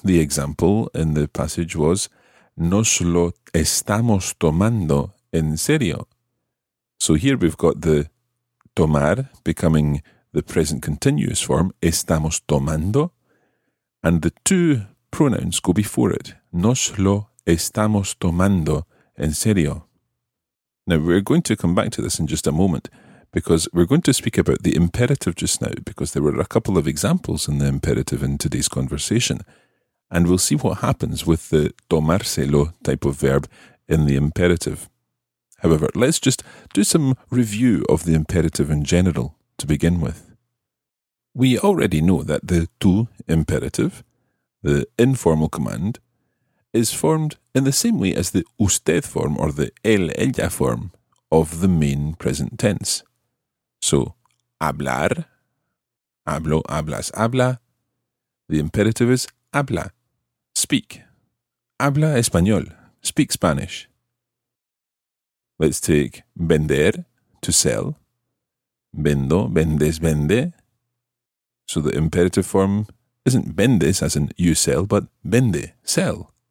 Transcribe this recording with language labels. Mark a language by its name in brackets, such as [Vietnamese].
[English] The example in the passage was [Spanish] nos lo estamos tomando en serio. [English] So here we've got the tomar becoming the present continuous form, estamos tomando, and the two pronouns go before it. [Spanish] Nos lo estamos tomando en serio. [English] Now, we're going to come back to this in just a moment, because we're going to speak about the imperative just now, because there were a couple of examples in the imperative in today's conversation, and we'll see what happens with the tomárselo type of verb in the imperative. However, let's just do some review of the imperative in general to begin with. We already know that the tú imperative, the informal command, is formed in the same way as the usted form or the él, ella form of the main present tense. [Spanish] So, hablar, hablo, hablas, habla. [English] The imperative is habla, speak. [Spanish] Habla español, [English] speak Spanish. Let's take vender, to sell. [Spanish] Vendo, vendes, vende. [English] So the imperative form isn't vendes, as in you sell, but vende, sell.